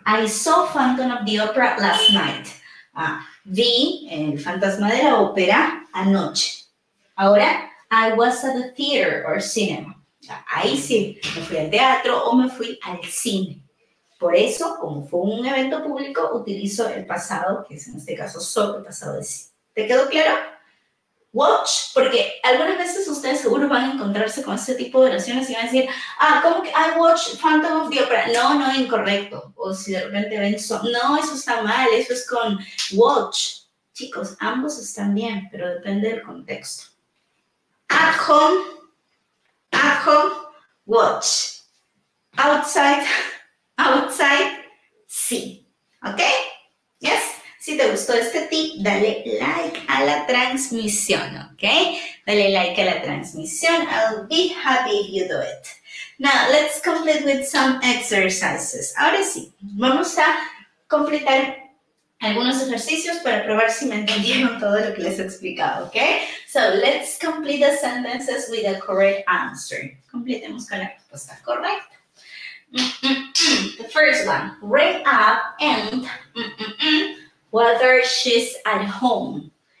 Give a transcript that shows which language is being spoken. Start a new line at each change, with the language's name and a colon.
English: I saw Phantom of the Opera last night.
Spanish: Ah, vi el Fantasma de la Ópera anoche.
English: Ahora, I was at the theater or cinema.
Spanish: Ahí sí, me fui al teatro o me fui al cine. Por eso, como fue un evento público, utilizo el pasado, que es en este caso solo el pasado de sí. ¿Te quedó claro? Watch, porque algunas veces ustedes seguro van a encontrarse con este tipo de oraciones y van a decir, ah, ¿cómo que
English: I watch Phantom of the Opera?
Spanish: No, no, incorrecto. O si de repente ven, no, eso está mal, eso es con watch. Chicos, ambos están bien, pero depende del contexto.
English: At home, watch. Outside, outside, sí. ¿Ok? Yes.
Spanish: Si te gustó este tip, dale like a la transmisión, ¿ok? Dale like a la transmisión.
English: I'll be happy if you do it. Now, let's complete with some exercises.
Spanish: Ahora sí, vamos a completar algunos ejercicios para probar si me entendieron todo lo que les he explicado, ¿ok?
English: So, let's complete the sentences with a correct answer.
Spanish: Completemos con la respuesta correcta.
English: The first one, wrap up and whether she's at home.